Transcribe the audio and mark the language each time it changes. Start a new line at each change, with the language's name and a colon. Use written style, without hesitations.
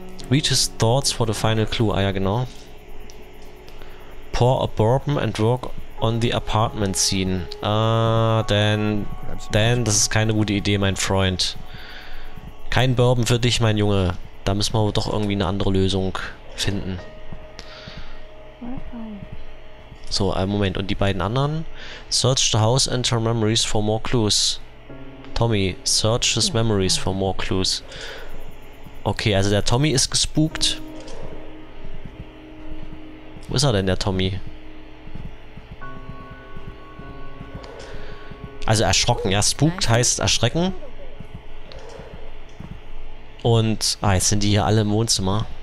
English: Reach his thoughts for the final clue. Ah ja, genau. Pour a bourbon and work on the apartment scene.
German: Dan, das ist keine gute Idee, mein Freund. Kein Bourbon für dich, mein Junge. Da müssen wir doch irgendwie eine andere Lösung finden. So, einen Moment. Und die beiden anderen?
English: Search the house and her memories for more clues. Tommy, search his memories for more clues.
German: Okay, also der Tommy ist gespookt. Wo ist er denn, der Tommy? Also erschrocken. Ja, spookt heißt erschrecken. Und, jetzt sind die hier alle im Wohnzimmer.